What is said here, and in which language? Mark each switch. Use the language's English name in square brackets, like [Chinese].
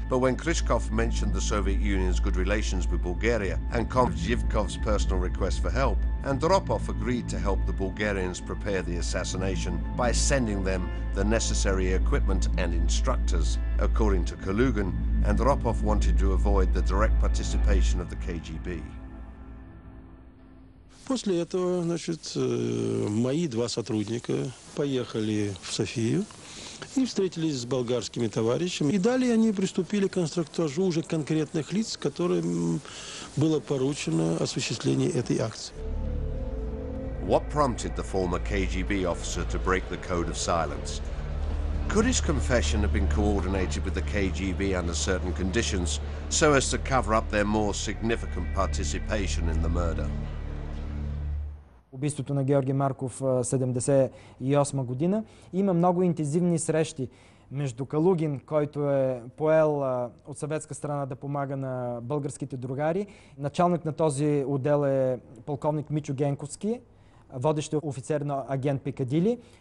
[English] But when Krychkov mentioned the Soviet Union's good relations with Bulgaria and Comrade Zhivkov's personal request for help, Andropov agreed to help the Bulgarians prepare the assassination by sending them the necessary equipment and instructors. According to Kalugin, Andropov wanted to avoid the direct participation of the KGB. [Russian] После этого, значит, мои два сотрудника поехали в Софию и встретились с болгарскими товарищами. И далее они приступили к конструктажу уже конкретных лиц, которым было поручено осуществление этой акции. [English] What prompted the former KGB officer to break the code of silence? Could his confession have been coordinated with the KGB under certain conditions, so as to cover up their more significant participation in the murder? [Bulgarian] Убийството на Георги Марков 78 година. Има много интензивни срещи между Калугин, който е поел от съветска страна да помага на българските другари. Началник на този отдел е полковник Мичо Генковски, водещ офицер на агент Пикадили.